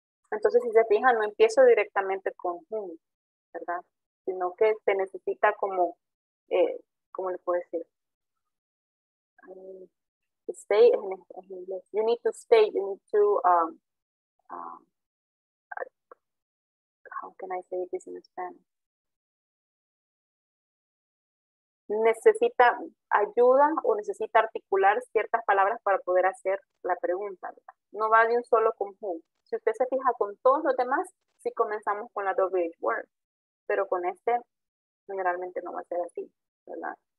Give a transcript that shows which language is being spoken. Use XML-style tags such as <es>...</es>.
<es>Entonces, si se fijan, no empiezo directamente con whom, ¿verdad? Sino que se necesita como, ¿cómo le puedo decir?</es> <en>Stay in English. You need to stay. You need to, how can I say this in Spanish?</en> <es>Necesita ayuda o necesita articular ciertas palabras para poder hacer la pregunta, ¿verdad? No va de un solo con who. Si usted se fija con todos los demás, sí comenzamos con la WH word. Pero con este, generalmente no va a ser así, ¿verdad?</es>